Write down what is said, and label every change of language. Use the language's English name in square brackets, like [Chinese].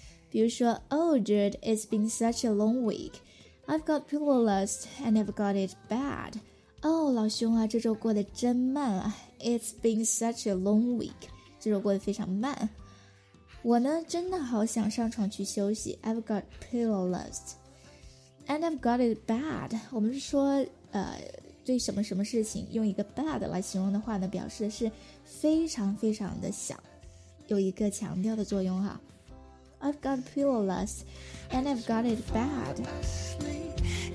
[Chinese] 比如说 [English] Oh dude, it's been such a long week, I've got pillow lust and I've got it bad. [Chinese] Oh 老兄啊，这周过得真慢啊。 [English] It's been such a long week， [Chinese] 这周过得非常慢。我呢真的好想上床去休息。 [English] I've got pillow lust and I've got it bad。 [Chinese] 我们说对什么什么事情用一个 bad 来形容的话呢，表示的是非常非常的想，有一个强调的作用哈。 [English] I've got pillow lust and I've got it bad。